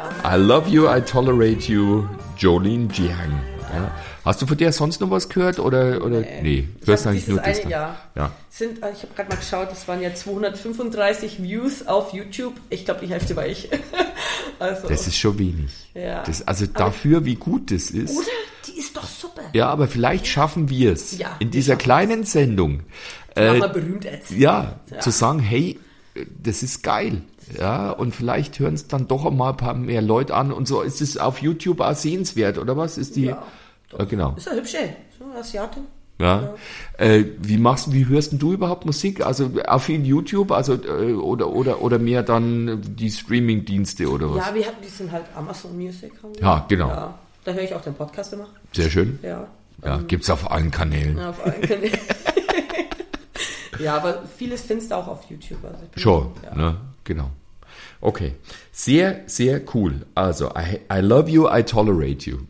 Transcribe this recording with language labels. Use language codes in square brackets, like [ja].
[en] I love you, I tolerate you. [de] Jolene Jiang. Ja. Hast du von der sonst noch was gehört? Oder? Nee, hörst du eigentlich nur das? Ja. Ja. Ich habe gerade mal geschaut, das waren ja 235 Views auf YouTube. Ich glaube, die Hälfte war ich. Also. Das ist schon wenig. Ja. Aber dafür, wie gut das ist. Oder? Die ist doch super. Ja, aber vielleicht schaffen wir es in dieser kleinen Sendung. Mal berühmt erzählen. Ja, zu sagen, hey, das ist geil. Ja, und vielleicht hören es dann doch mal ein paar mehr Leute an. Und so ist es auf YouTube auch sehenswert, oder was? Ist die? Ja. Ja, genau. Ist ja hübsch, so Asiatin. Ja. Ja. Wie hörst denn du überhaupt Musik? Also auf YouTube, also oder mehr dann die Streaming-Dienste oder was? Ja, wir hatten die sind halt Amazon Music. Ja, genau. Ja. Da höre ich auch den Podcast immer. Sehr schön. Ja. Ja, gibt's auf allen Kanälen. Ja, auf allen Kanälen. Ja, aber vieles findest du auch auf YouTube. Also sure, ne? Genau. Okay, sehr, sehr cool. [en] Also, I love you, I tolerate you.